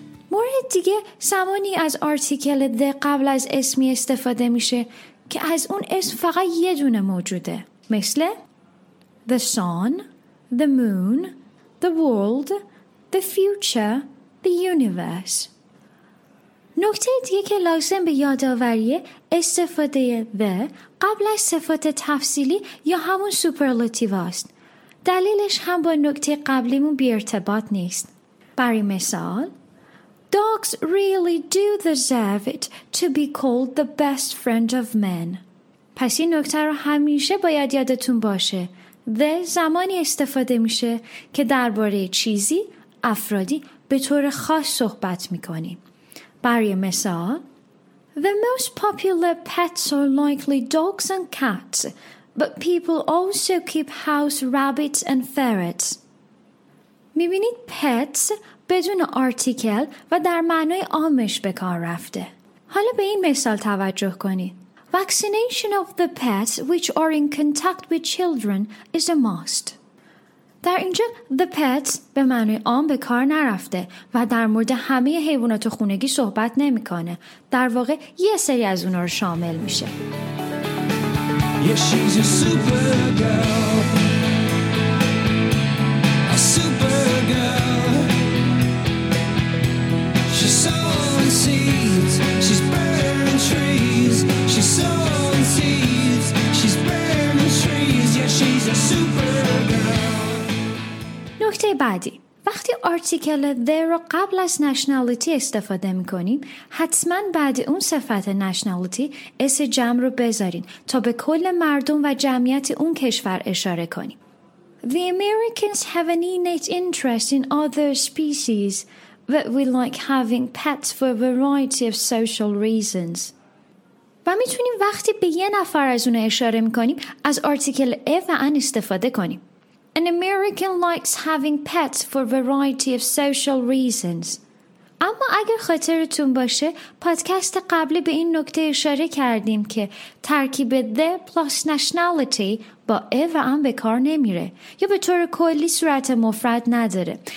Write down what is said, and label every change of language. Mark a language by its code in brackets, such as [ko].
[fa] مورد دیگه زمانی از آرتیکل the قبل از اسمی استفاده میشه که از اون اسم فقط یه دونه موجوده، مثل The sun, the moon, the world, the future, the universe. نکته دیگه که لازم به یادآوریه استفاده the قبل از صفات تفصیلی یا همون سوپرلاتیو است. دلیلش هم با نکته قبلیمون بی ارتباط نیست. [en] برای مثال Dogs really do deserve it to be called the best friend of men. [fa] پس این نکته رو همیشه باید یادتون باشه. The زمانی استفاده میشه که درباره چیزی، افرادی به طور خاص صحبت میکنیم. [en] برای مثال The most popular pets are likely dogs and cats, but people also keep house rabbits and ferrets. [fa] میبینید pets بدون آرتیکل و در معنای عامش به کار رفته. حالا به این مثال توجه کنید. [en] Vaccination of the pets which are in contact with children is a must. [fa] در اینجا the pets به معنی عام به کار نرفته و در مورد همه حیوانات خونگی صحبت نمی کنه. در واقع یه سری از اونا رو شامل میشه. [en] Yeah, she's a super girl. A super girl. She's so unseen. She's burning trees. She's so unseen. She's burning trees. Yeah, she's a super girl. نکته بعدی. [fa] وقتی آرتیکل the رو قبل از نشنالیتی استفاده میکنیم، حتما بعد اون صفت نشنالیتی اس جمع رو بذارین تا به کل مردم و جمعیت اون کشور اشاره کنیم. [en] The Americans have an innate interest in other species, but we like having pets for a variety of social reasons. [fa] و میتونیم وقتی به یه نفر از اون اشاره میکنیم از آرتیکل a و an استفاده کنیم. [en] An American likes having pets for a variety of social reasons. [fa] اما اگر خاطرتون باشه، پادکست قبلی به این نکته اشاره کردیم که ترکیب the plus nationality با a و an به کار نمیره یا به طور کلی صورت مفرد نداره.